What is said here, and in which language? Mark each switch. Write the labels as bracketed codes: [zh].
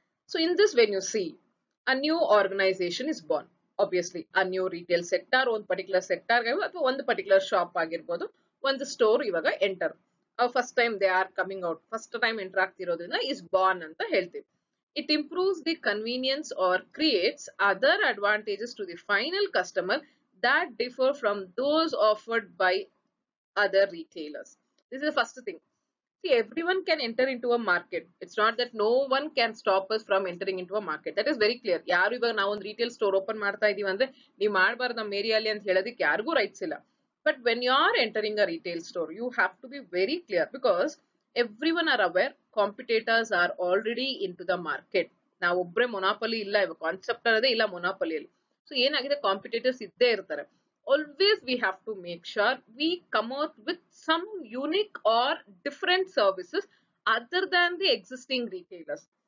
[en] so in this, when you see a new organisation is born, obviously a new retail sector, [kn] ಒಂದು particular sector ಅಥವಾ ಒಂದು particular shop ಆಗಿರ್ಬೋದು, ಒಂದು store ಇವಾಗ [en] enter, first time they are coming out, first time enter ಆಗ್ತಿರೋದ್ರಿಂದ is born [kn] ಅಂತ ಹೇಳ್ತೀವಿ. [en] It improves the convenience or creates other advantages to the final customer that differ from those offered by other retailers. This is the first thing. See, everyone can enter into a market. It's not that no one can stop us from entering into a market. That is very clear. [kn] ಯಾರು ಇವಾಗ ನಾವು ಒಂದು retail store open ಮಾಡ್ತಾ ಇದೀವಿ ಅಂದ್ರೆ ನೀವು ಮಾಡಬಾರ್ದು ನಮ್ಮ ಏರಿಯಲ್ಲಿ ಅಂತ ಹೇಳೋದಕ್ಕೆ ಯಾರಿಗೂ ರೈಟ್ಸ್ ಇಲ್ಲ. [en] But when you are entering a retail store, you have to be very clear, because every one are aware competitors are already into the market. [kn] ನಾವು ಒಬ್ಬರೇ ಮೊನಾಪಲಿ ಇಲ್ಲ, ಇವಾಗ ಕಾನ್ಸೆಪ್ಟ್ ಅನ್ನೋದೇ ಇಲ್ಲ ಮೊನಾಪಲಿಯಲ್ಲಿ. ಸೊ ಏನಾಗಿದೆ, ಕಾಂಪಿಟೇಟರ್ಸ್ ಇದ್ದೇ ಇರ್ತಾರೆ. [en] Always we have to make sure we come out with some unique or different services other than the existing retailers.